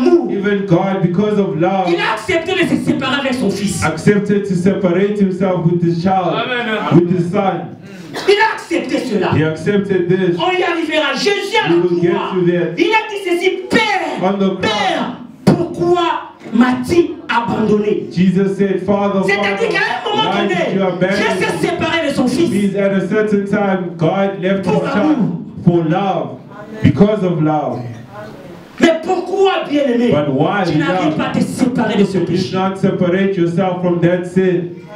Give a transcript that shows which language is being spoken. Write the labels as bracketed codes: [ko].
[en] Even God, because of love, accepted to separate himself with his child, with his son. [fr] Il a accepté cela. [en] He accepted this. [fr] On y arrivera. Jésus a la croix. [en] We will get to that. [fr] Il a dit ceci, Père, Père, pourquoi m'as-tu abandonné? [en] Jesus said, Father, [fr] c'est-à-dire qu'à un moment donné, Jésus s'est séparé de son fils. [en] At a certain time, God left his child for love, because of love. [fr] Mais pourquoi, bien-aimé, [en] but why, [fr] tu n'arrives pas à te séparer de ce péché? [en] You did not separate yourself from that sin.